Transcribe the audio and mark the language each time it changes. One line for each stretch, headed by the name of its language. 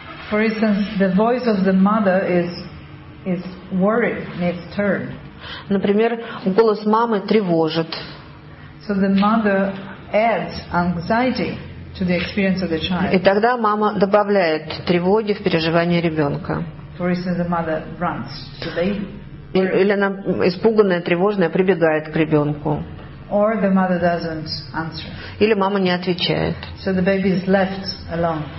English: For instance, the voice of the mother is worried and it's turned.
Russian: Например, голос мамы тревожит.
English: So the mother adds anxiety to the experience of the child.
Russian: И тогда мама добавляет тревоги в переживание ребенка.
English: For instance, the mother runs to the baby.
Russian: Или она испуганная, тревожная, прибегает к ребенку.
English: Or the mother doesn't answer.
Russian: Или мама не отвечает.
English: So the baby is left alone.